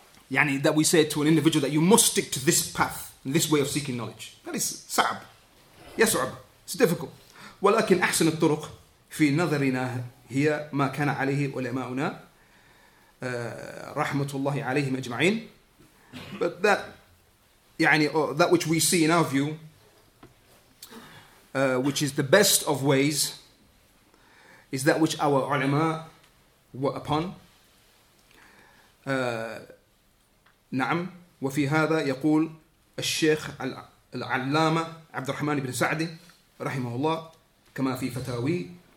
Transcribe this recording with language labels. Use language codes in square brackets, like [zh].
[en] That we say to an individual that you must stick to this path, this way of seeking knowledge. That is sa'ab. Yas'ab. It's difficult. [ar] ولكن أحسن الطرق في نظرنا هي ما كان عليه علماؤنا رحمة الله عليهم أجمعين. [en] But that which we see in our view, which is the best of ways, is that which our ulama were upon. [ar] نعم وفي هذا يقول الشيخ العلامة عبد الرحمن بن سعدي رحمه الله كما في فتاوي